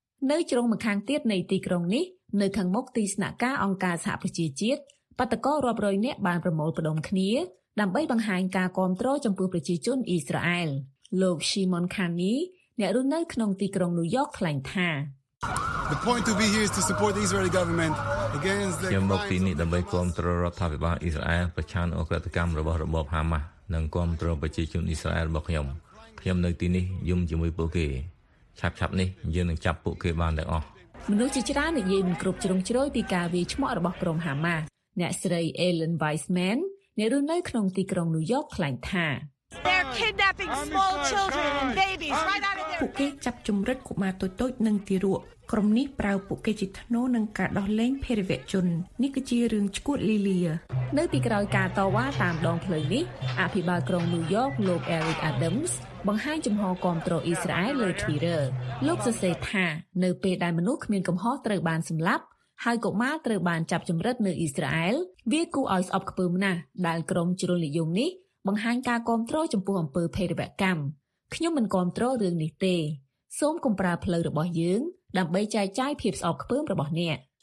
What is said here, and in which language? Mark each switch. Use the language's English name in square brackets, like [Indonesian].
[Khmer] នៅជ្រុងម្ខាងទៀតនៃទីក្រុងនេះនៅខាងមុខទីស្នាក់ការអង្គការសហប្រជាជាតិបាតុកោរាប់រយនាក់បានប្រមូលផ្តុំគ្នាដើម្បីបង្ហាញការគាំទ្រចំពោះប្រជាជនអ៊ីស្រាអែលលោក Shimon Khani អ្នករស់នៅក្នុងទីក្រុង New York ថ្លែងថា [English] The point to be here is to support the Israeli government against the Hamas. [Khmer] ខ្ញុំមកទីនេះដើម្បីគាំទ្ររដ្ឋាភិបាលអ៊ីស្រាអែលប្រឆាំងអូក្រិដ្ឋកម្មរបស់របប Hamas និងគាំទ្រប្រជាជនអ៊ីស្រាអែលរបស់ខ្ញុំ។ខ្ញុំនៅទីនេះយំជាមួយពួកគេ។ឆាប់ៗនេះយើងនឹងចាប់ពួកគេបានទាំងអស់ ។មនុស្សជាច្រើននិយាយមិនគ្រប់ជ្រុងជ្រោយពីការវាយឆ្មក់របស់ក្រុម Hamas ។អ្នកស្រី Ellen Weissman អ្នករស់នៅក្នុងទីក្រុង New York ថ្លែងថា [English] They're kidnapping small children and babies right out of there. [Khmer] ពួកគេចាប់ជំរិតកុមារតូចៗនិងទារកក្រុមនេះប្រើពួកគេជាធ្នូនឹងការដោះលែងភេរវកជននេះគឺជារឿងឈួតលីលានៅទីក្រោយការតវ៉ាតាមដងផ្លូវនេះអភិបាលក្រុងញូវយ៉កលោក Eric Adams បង្ហាញចំហគាំទ្រអ៊ីស្រាអែលលើ Twitter លោកសរសេរថានៅពេលដែលមនុស្សគ្មានកំហុសត្រូវបានសម្លាប់ហើយកុមារត្រូវបានចាប់ជំរិតនៅអ៊ីស្រាអែលវាគួរឲ្យស្អប់ខ្ពើមណាស់ដែលក្រុមជ្រុលនិយមនេះបង្ហាញការគាំទ្រចំពោះអំពើភេរវកម្មខ្ញុំមិនគាំទ្ររឿងនេះទេសូមគំប្រើផ្លូវរបស់យើងដើម្បីចែកចាយភាពស្អប់ខ្ពើមរបស់អ្នក